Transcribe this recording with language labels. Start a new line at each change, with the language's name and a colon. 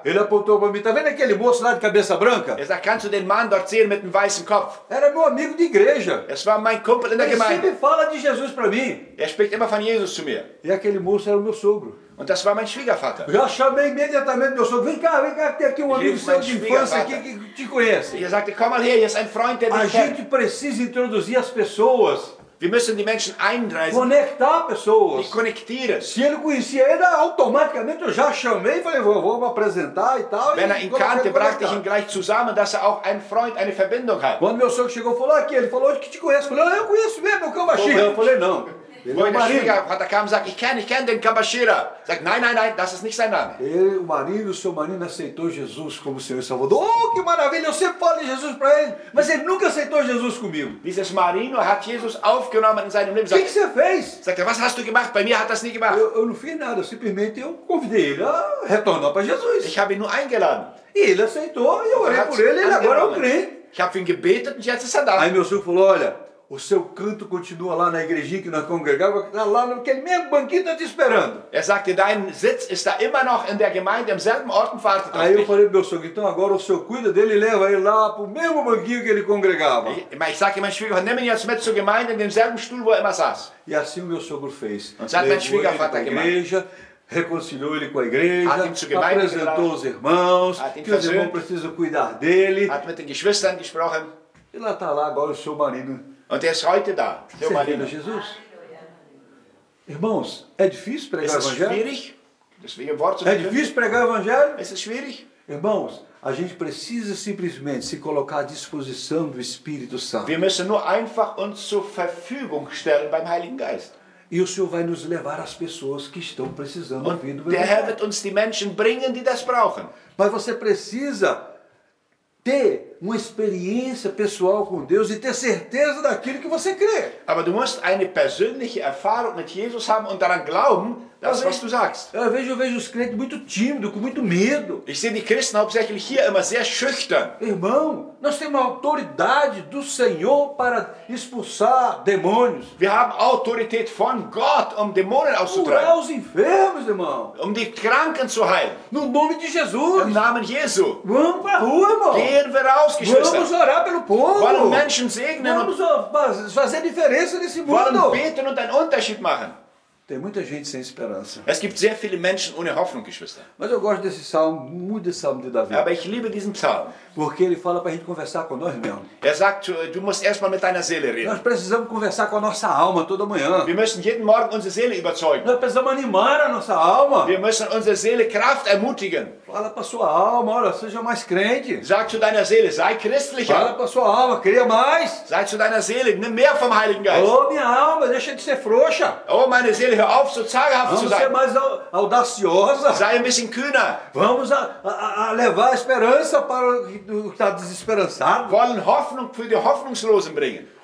Portuguese: ele apontou para mim, tá vendo aquele moço lá de cabeça branca?
German: Er sagt, kannst du den Mann dort sehen mit dem weißen Kopf?
Portuguese: Era meu amigo de igreja.
German: Es war mein Kumpel in der Gemeinde.
Portuguese: Ele sempre fala de Jesus para mim.
German: Er spricht immer von Jesus zu mir.
Portuguese: E aquele moço era o meu sogro.
German: Und das war mein Schwiegervater.
Portuguese: Eu chamei imediatamente meu sogro. Vem cá, tem aqui um amigo seu de infância aqui que te conhece.
German: Er sagte, komm mal her, hier ist ein Freund, der dich kennt.
Portuguese: A gente precisa introduzir as pessoas.
German: Wir müssen die Menschen einreisen.
Portuguese: Conectar pessoas.
German: Die conectieren.
Portuguese: Se ele conhecia ele, automaticamente eu já chamei e falei, vou me apresentar e tal.
German: Wenn er ihn kannte, brachte ich ihn gleich zusammen, dass er auch einen Freund, eine Verbindung hat.
Portuguese: Quando meu sogro chegou, falou aqui, ele falou, que te conhece. Eu falei, eu conheço mesmo, o Kambashira. Eu falei, não.
German: Wo der Schwiegervater kam, sagt, ich kenne den Kambashira. Sagt, nein, das ist nicht sein Name.
Portuguese: Ele, o marido, seu marido aceitou Jesus como Senhor e Salvador. Oh, que maravilha, eu sempre falo de Jesus para ele, mas ele nunca aceitou Jesus comigo.
German: Dieses Marino hat Jesus aufgenommen in seinem Leben. Sagt,
Portuguese: que fez?
German: Sagt, was hast du gemacht? Bei mir hat das nie gemacht.
Portuguese: Eu não fiz nada, simplesmente eu convidei ele a retornar para Jesus.
German: Ich habe ihn nur eingeladen.
Portuguese: E ele aceitou, e eu orei por ele, ele agora é um crente.
German: Ich habe ihn gebetet und jetzt ist er da.
Portuguese: Aí meu sogro falou, olha, o seu canto continua lá na igrejinha que nós congregamos, está lá naquele mesmo banquinho, está te esperando.
German: Er sagte, dein Sitz ist da immer noch in der Gemeinde, im selben Ort und wartet auf dich.
Portuguese: Aí eu falei, meu sogro, então agora o senhor cuida dele e leva ele lá pro mesmo banquinho que ele congregava.
German: Mas sagte, mein Schwiegervater, nimm ihn jetzt mit zur Gemeinde, in demselben Stuhl, wo er immer saß. E assim o meu sogro fez. Und sagte, mein Schwiegervater, gemacht.
Portuguese: Reconciliou ele com a igreja, apresentou os irmãos, que os irmãos precisam cuidar dele.
German: Hat mit den Geschwistern gesprochen.
Portuguese: E lá está lá agora o seu marido.
German: Und er ist heute da,
Portuguese: seu marido.
German: Jesus.
Portuguese: Irmãos, é difícil pregar o evangelho? É difícil pregar o evangelho?
German: Es ist schwierig.
Portuguese: Irmãos, a gente precisa simplesmente se colocar à disposição do Espírito Santo.
German: Wir müssen nur einfach uns zur Verfügung stellen beim Heiligen Geist.
Portuguese: E o Senhor vai nos levar às pessoas que estão precisando ouvir do evangelho.
German: Der Herr wird uns die Menschen bringen, die das brauchen.
Portuguese: Mas você precisa ter uma experiência pessoal com Deus e ter certeza daquilo que você crê.
German: Aber du musst eine persönliche Erfahrung mit Jesus haben und daran glauben, das was du sagst.
Portuguese: Eu vejo os crentes muito tímidos, com muito medo.
German: Ich sehe die Christen hauptsächlich hier immer sehr schüchtern.
Portuguese: Irmão, nós temos uma autoridade do Senhor para expulsar demônios.
German: Wir haben Autorität von Gott, um Dämonen auszutreiben.
Portuguese: Curar os enfermos, irmão.
German: Um die Kranken zu heilen.
Portuguese: No nome de Jesus.
German: Im Namen Jesu.
Portuguese: Vamos para a rua, irmão.
German: Gehen wir raus, Geschwister.
Portuguese: Vamos orar pelo povo.
German: Wollen Menschen segnen.
Portuguese: Vamos fazer diferença nesse mundo.
German: Wollen beten und einen Unterschied machen.
Portuguese: Tem muita gente sem esperança.
German: Es gibt sehr viele Menschen ohne Hoffnung, Geschwister.
Portuguese: Mas eu gosto desse salmo, muito desse salmo de Davi.
German: Aber ich liebe diesen Psalm.
Portuguese: Porque ele fala para a gente conversar com nós mesmos.
German: Er sagt, du musst erstmal mit deiner Seele reden.
Portuguese: Nós precisamos conversar com a nossa alma toda manhã.
German: Wir müssen jeden Morgen unsere Seele überzeugen.
Portuguese: Nós precisamos animar a nossa alma.
German: Wir müssen unsere Seele Kraft ermutigen.
Portuguese: Fala para sua alma, olha, seja mais crente.
German: Sag zu deiner Seele, sei christlicher.
Portuguese: Fala para sua alma, creia mais.
German: Sag zu deiner Seele, nimm mehr vom Heiligen Geist.
Portuguese: Oh, minha alma, deixa de ser frouxa.
German: Oh, meine Seele, hör auf, so zaghaft
Portuguese: vamos
German: zu sein.
Portuguese: Ser mais audaciosa.
German: Sei ein bisschen kühner.
Portuguese: Vamos a levar a esperança para o que está desesperançado.
German: Wollen Hoffnung für die Hoffnungslosen bringen.